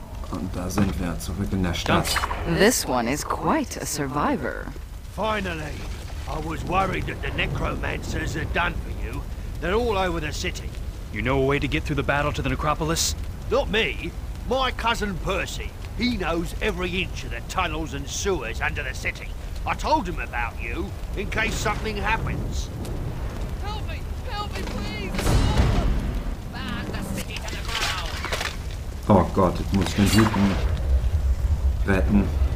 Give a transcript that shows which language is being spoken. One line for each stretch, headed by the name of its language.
German: Und da sind wir zurück in der Stadt.
English: This one is quite a survivor. Finally! I was worried that the necromancers had done for you. They're all over the city. You know a way to get through the battle to the necropolis? Not me. My cousin Percy. He knows every inch of the tunnels and sewers under the city. I told him about you, in case something happens. Help me! Help me, please! Burn the city to the ground!
German: Oh Gott, ich muss den Hüten retten.